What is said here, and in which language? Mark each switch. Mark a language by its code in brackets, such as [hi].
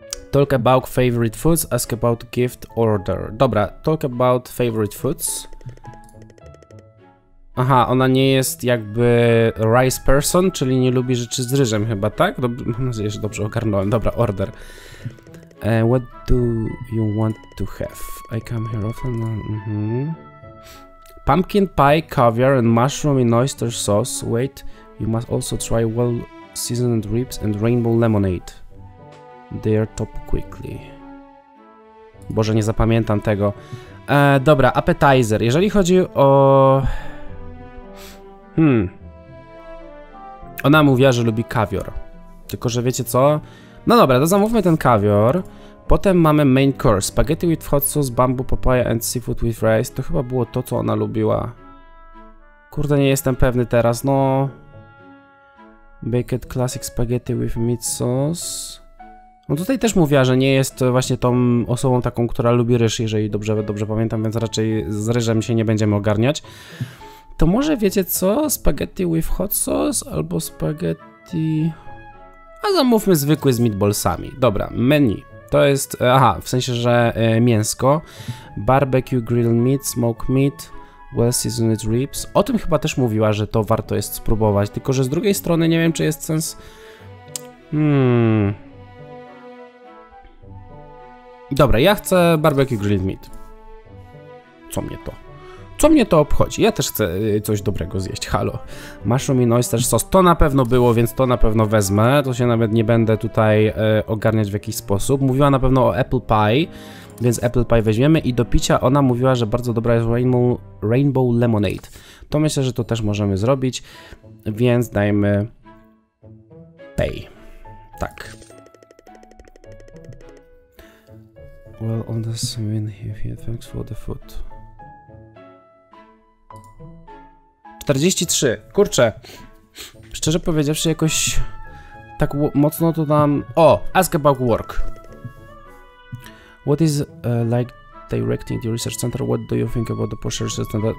[en] Talk about favorite foods, ask about gift order. [pl] Dobra, [en] talk about favorite foods. [pl] Aha, ona nie jest jakby [en] rice person, [pl] czyli nie lubi rzeczy z ryżem chyba, tak? Mam nadzieję, że dobrze ogarnąłem. Dobra, [en] order. What do you want to have? I come here often. Pumpkin pie, caviar and mushroom in oyster sauce. Wait, you must also try well seasoned ribs and rainbow lemonade. They are top quickly. [pl] Boże, nie zapamiętam tego. Dobra, appetizer. Jeżeli chodzi o... Ona mówiła, że lubi kawior. Tylko, że wiecie co? No dobra, to zamówmy ten kawior. Potem mamy main course. [en] Spaghetti with hot sauce, bamboo papaya and seafood with rice. [pl] To chyba było to, co ona lubiła. Kurde, nie jestem pewny teraz, no. [en] Baked classic spaghetti with meat sauce. [pl] No tutaj też mówiła, że nie jest właśnie tą osobą taką, która lubi ryż, jeżeli dobrze pamiętam, więc raczej z ryżem się nie będziemy ogarniać. To może wiecie co? [en] Spaghetti with hot sauce [pl] albo spaghetti... A zamówmy zwykły z meatballsami. Dobra, menu. To jest, aha, w sensie, że mięsko. [en] Barbecue grilled meat, smoked meat, well seasoned ribs. [pl] O tym chyba też mówiła, że to warto jest spróbować. Tylko, że z drugiej strony nie wiem, czy jest sens... Dobra, ja chcę [en] barbecue grilled meat. [pl] Co mnie to obchodzi? Ja też chcę coś dobrego zjeść, halo. [en] Mushroom and oyster sauce. [pl] To na pewno było, więc to na pewno wezmę. To się nawet nie będę tutaj ogarniać w jakiś sposób. Mówiła na pewno o apple pie, więc apple pie weźmiemy. I do picia ona mówiła, że bardzo dobra jest rainbow lemonade. To myślę, że to też możemy zrobić. Więc dajmy pay. Tak. [en] Well, on the screen here, thanks for the food. [pl] 43, kurczę. Szczerze powiedziawszy, jakoś tak mocno to tam... [en] O, ask about work. What is like directing the research center? What do you think about the Porsche Research Center?